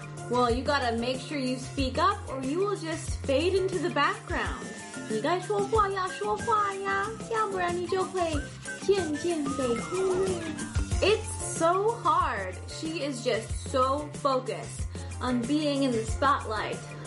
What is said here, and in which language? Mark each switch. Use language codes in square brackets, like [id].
[en] Well, you gotta make sure you speak up or you will just fade into the background. [zh] 你该说话呀，说话呀，要不然你就会渐渐被忽略。 [en] It's so hard. She is just so focused on being in the spotlight.